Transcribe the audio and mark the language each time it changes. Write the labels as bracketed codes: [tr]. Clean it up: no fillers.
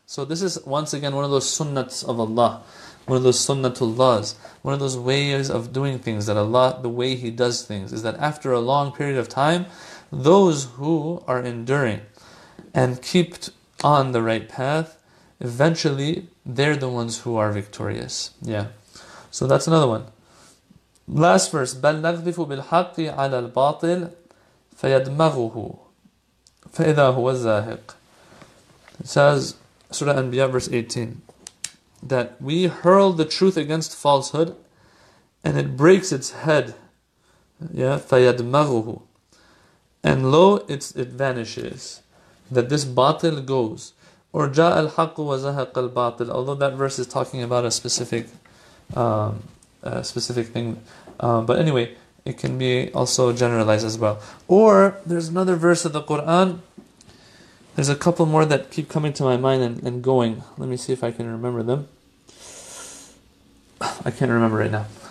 [en] So this is once again one of those sunnats of Allah, one of those sunnatullahs, one of those ways of doing things that Allah, the way He does things, is that after a long period of time, those who are enduring and keep on the right path, eventually they're the ones who are victorious. Yeah. So that's another one. Last verse, [ar] بَلْ نَغْذِفُ بِالْحَقِّ عَلَى الْبَاطِلِ فَيَدْمَغُهُ فَإِذَا هُوَ الزَّاهِقُ. [en] It says, Surah Anbiya, verse 18, that we hurl the truth against falsehood and it breaks its head. [ar] Yeah, فَيَدْمَغُهُ. [en] And lo, it vanishes. That this batil goes. [ar] Or جَاءَ الْحَقُّ وَزَهَقَ الْبَاطِلُ. [en] Although that verse is talking about a specific thing. But anyway, it can be also generalized as well. Or there's another verse of the Qur'an. There's a couple more that keep coming to my mind and going. Let me see if I can remember them. I can't remember right now.